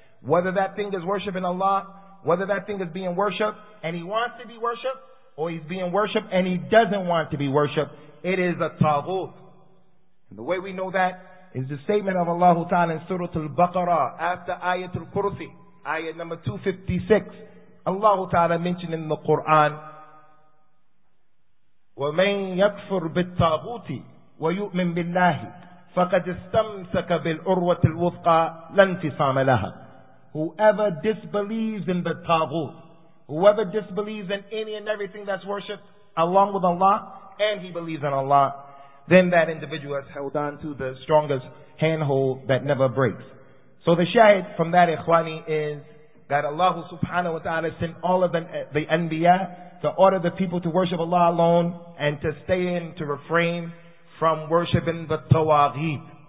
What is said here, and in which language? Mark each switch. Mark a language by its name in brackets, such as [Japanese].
[English] Whether that thing is worshipping Allah, whether that thing is being worshipped and he wants to be worshipped, or he's being worshipped and he doesn't want to be worshipped, it is a taghut. And the way we know that is the statement of Allah Ta'ala in Surah Al-Baqarah, after Ayat Al-Kursi, Ayat number 256. Allah Ta'ala mentioned in the Quran, [Arabic] وَمَنْ يَكْفُرْ بِالْتَاغُوتِ وَيُؤْمِنْ بِاللَّهِ فَقَدْ اسْتَمْسَكَ بِالْعُرْوَةِ الْوُثْقَى لَنْ فِصَامَ لَهَا. [English] Whoever disbelieves in the taghut, whoever disbelieves in any and everything that's worshipped along with Allah, and he believes in Allah, then that individual has held on to the strongest handhold that never breaks. So the shahid from that, ikhwani, is that Allah subhanahu wa ta'ala sent all of the anbiya to order the people to worship Allah alone and to stay in, to refrain from worshipping the tawaghit.